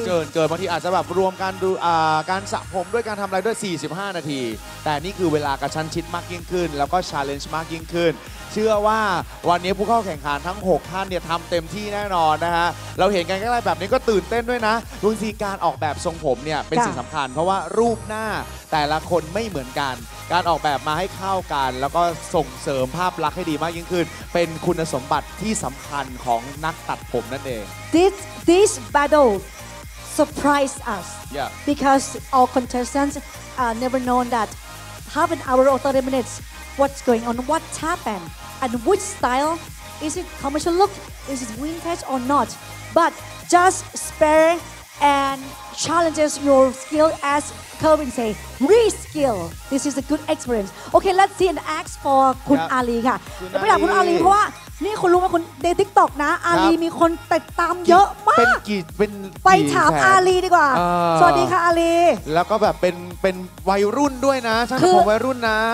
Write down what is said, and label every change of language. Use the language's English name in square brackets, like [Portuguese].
[Thai] เกินบางทีอาจจะแบบรวมการดูการสระผมด้วยการทำอะไรด้วย45นาทีแต่นี่คือเวลากระชั้นชิดมากยิ่งขึ้นแล้วก็ชาเลนจ์มากยิ่งขึ้นเชื่อว่าวันนี้ผู้เข้าแข่งขันทั้ง6ท่านเนี่ยทำเต็มที่แน่นอนนะฮะเราเห็นกันใกล้ๆแบบนี้ก็ตื่นเต้นด้วยนะดูสิการออกแบบทรงผมเนี่ยเป็นสิ่งสำคัญเพราะว่ารูปหน้าแต่ละคนไม่เหมือนกันการออกแบบมาให้เข้ากันแล้วก็ส่งเสริมภาพลักษณ์ให้ดีมากยิ่งขึ้นเป็นคุณสมบัติที่สำคัญของนักตัดผมนั่นเอง [English] This battle surprised us yeah. because all contestants are never known that half an hour or 30 minutes what's going on what's happenedAnd which style? Is it commercial look? Is it vintage or not? But just spare and challenges your skill as Kelvin say, reskill. This is a good experience. Okay, let's see an ask for [Thai] คุณอาลีค่ะไม่ถามคุณอาลีเพราะว่านี่คุณรู้ไหมคุณใน TikTok นะอาลีมีคนติดตามเยอะมาก เป็นกี่เป็น ไปถามอาลีดีกว่าสวัสดีค่ะอาลี แล้วก็แบบเป็นวัยรุ่นด้วยนะช่างผมวัยรุ่นนะ